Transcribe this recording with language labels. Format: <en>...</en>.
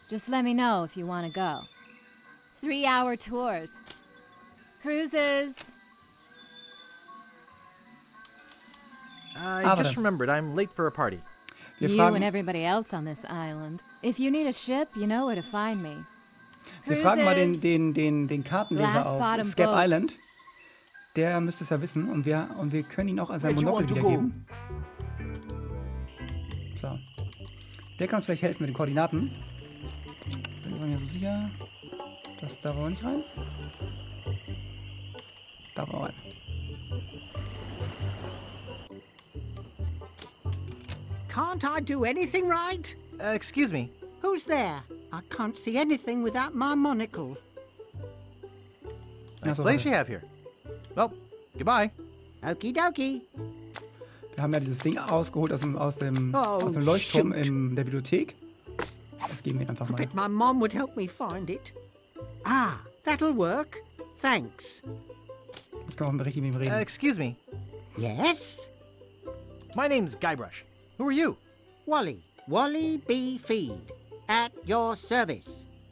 <en>Just let me know if you want to go. 3-hour tours. Cruises. I just remembered I'm late for a party. You and everybody else on this island. If you need a ship, you know where to find me.</en> <de>Wir fragen mal den Kartenleser auf Skep Island. Der müsste es ja wissen und wir können ihn auch an sein Monokel wiedergeben. So. Der kann uns vielleicht helfen mit den Koordinaten. Bin ich mir so sicher. Das da wollen wir nicht rein. Da wollen wir rein.</de> <en>Can't I do anything right? Excuse me. Who's there? I can't see anything without my monocle. Nice place you have here. Well, goodbye. Okie dokie.</en> <de>Wir haben ja dieses Ding ausgeholt aus dem Leuchtturm in der Bibliothek. Das geben wir einfach mal.</de> <en>I bet my mom would help me find it. Ah, that'll work. Thanks.</en> <de>Jetzt kann man richtig mit ihm reden.</de> <en>Excuse me. Yes? My name's Guybrush. Who are you? Wally. Wally B. Feed. At your service.</en>